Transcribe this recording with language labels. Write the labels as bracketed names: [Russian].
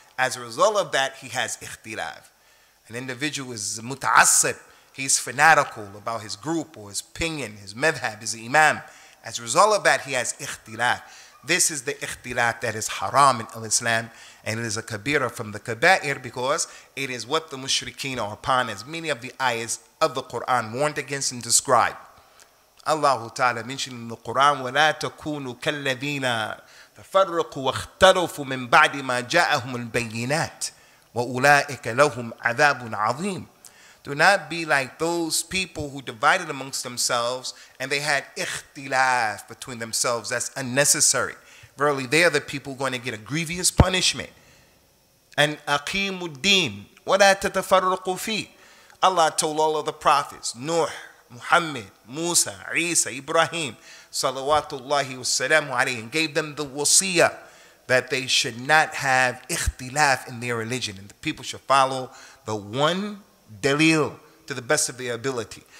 [English] As a result of that, he has ikhtilaf. An individual is muta'assib, he's fanatical about his group or his opinion, his madhab, his imam. As a result of that, he has ikhtilaf. This is the ikhtilaf that is haram in al-Islam, and it is a kabira from the kabair because it is what the mushrikeen are upon, as many of the ayahs of the Quran warned against and described. Allah Ta'ala mentioned in the Quran, [Arabic] وَلَا تَكُونُوا كَالَّذِينَ تَفَرَّقُوا وَاخْتَرَفُوا مِنْ بَعْدِ مَا جَاءَهُمُ الْبَيِّنَاتِ وَأُولَٰئِكَ لَهُمْ عَذَابٌ عَظِيمٌ. [English] Do not be like those people who divided amongst themselves and they had ikhtilaf between themselves. That's unnecessary. Verily, they are the people going to get a grievous punishment. [Arabic] And أَقِيمُ الدِّينَ وَلَا تَتَفَرَّقُوا فِيهِ. [English] Allah told all of the prophets, Nuh, Muhammad, Musa, Isa, Ibrahim, salawatullahi wasalamu alayhi, and gave them the wasiyah that they should not have ikhtilaf in their religion, and the people should follow the one dalil to the best of their ability.